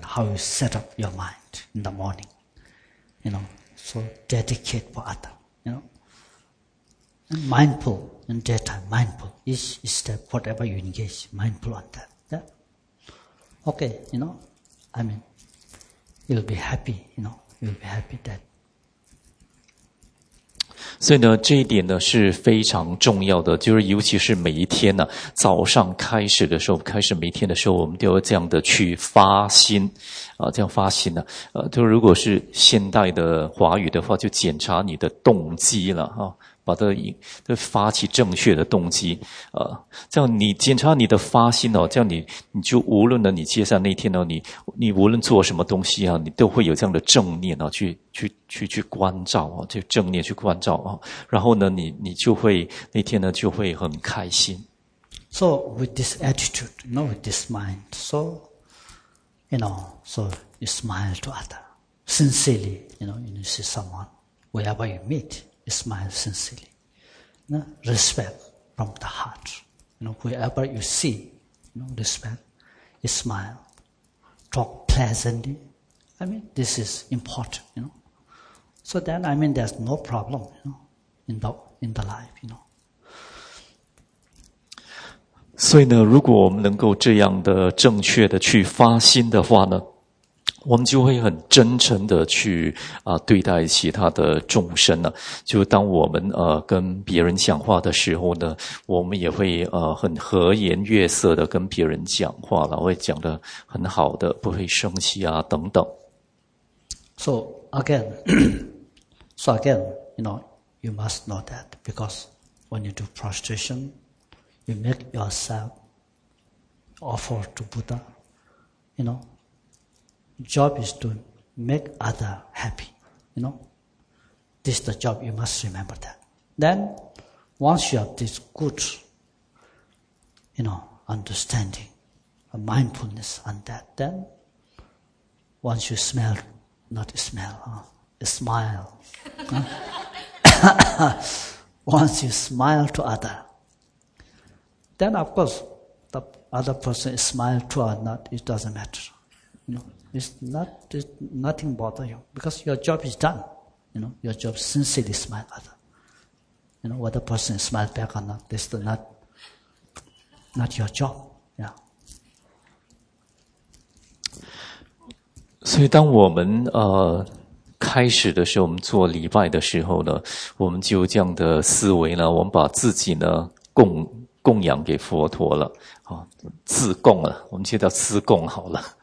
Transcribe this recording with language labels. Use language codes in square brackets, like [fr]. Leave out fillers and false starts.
[en] How you set up your mind in the morning, you know.So dedicate for other, you know. Mindful, in daytime, mindful. Each step, whatever you engage, mindful on that. Yeah? Okay, you know, I mean, you'll be happy, you know, you'll be happy that. [zh] 所以呢，这一点呢是非常重要的，就是尤其是每一天呢，早上开始的时候，开始每天的时候，我们都要这样的去发心，这样发心呢，就如果是现代的华语的话，就检查你的动机了啊。把它发起正确的动机，这样你检查你的发心哦，这样你就无论呢，你接下来那天呢，你无论做什么东西啊，你都会有这样的正念啊，去关照啊，就正念去关照啊，然后呢，你就会那天呢就会很开心。 [en] So with this attitude, you know, with this mind, so you know, so you smile to other sincerely, you know, when you see someone, wherever you meet. You smile sincerely. No? Respect from the heart. You know, whoever you see, you know, respect, you smile. Talk pleasantly. I mean, this is important, you know. So then, I mean, there's no problem, you know, in the life, you know. [zh] 所以呢，如果我们能够这样的正确的去发心的话呢，我们就会很真诚的去对待其他的众生呢、啊。就当我们跟别人讲话的时候呢，我们也会很和颜悦色的跟别人讲话了，会讲得很好的，不会生气啊等等。 [en] So again, so again, you know, you must know that because when you do prostration, you make yourself offer to Buddha, you know. Job is to make other happy, you know. This is the job, you must remember that. Then, once you have this good, you know, understanding, mindfulness on that, then, once you smell, not smell, smile, once you smile to other, then of course, the other person smile to or not, it doesn't matter, you know. It's nothing bother you because your job is done. You know, your job sincerely smile other. You know, whether person smile back or not, this is not your job. Yeah. [zh] 所以当我们开始的时候，我们做礼拜的时候呢，我们就这样的思维呢，我们把自己呢供养给佛陀了，自供了，我们就叫自供好了。